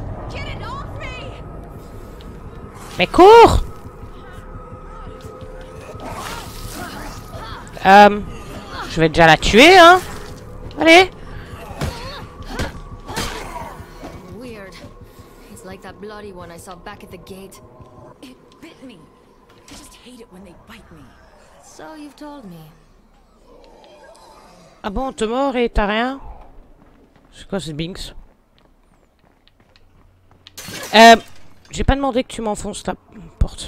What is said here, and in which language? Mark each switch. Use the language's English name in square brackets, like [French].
[English] Get it off me! [French] Mais cours! Je vais déjà la tuer, hein. Allez. [English] Weird. It's like that bloody one I saw back at the gate. It bit me. I just hate it when they bite me. So you've told me. [French] Ah bon, t'es mort et t'as rien? C'est quoi ce Binks? J'ai pas demandé que tu m'enfonces ta porte.